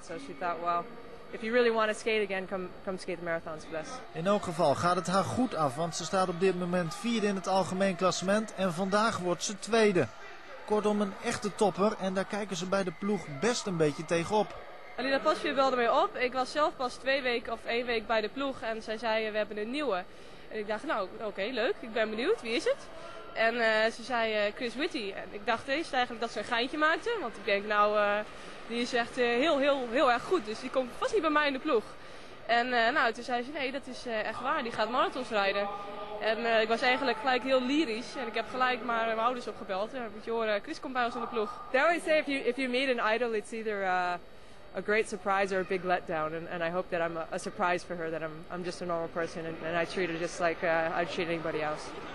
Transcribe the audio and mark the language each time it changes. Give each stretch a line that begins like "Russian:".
English: So she thought, well, if you really want to skate again, come skate the marathons with us.
Dutch: In elk geval gaat het haar goed af, want ze staat op dit moment vierde in het algemeen klassement en vandaag wordt ze tweede. Kortom, een echte topper en daar kijken ze bij de ploeg best een beetje tegenop. Alina Pasje belde mij op. Ik was zelf pas 2 weken of 1 week bij de ploeg en zij zei, we hebben een nieuwe. En ik dacht, nou oké, leuk, ik ben benieuwd, wie is het? En ze zei Chris Whitty. En ik dacht eerst eigenlijk dat ze een geintje maakte, want ik denk, nou, die is echt heel erg goed. Dus die komt vast niet bij mij in de ploeg. En nou, toen zei ze, nee, dat is echt waar, die gaat marathons rijden. En ik was eigenlijk gelijk heel lyrisch en ik heb gelijk maar mijn ouders opgebeld. En moet je horen, Chris komt bij ons in de ploeg.
English: They always say, if you meet an idol, it's either a great surprise or a big letdown. And I hope that I'm a surprise for her, that I'm just a normal person. And I treat her just like I treat anybody else.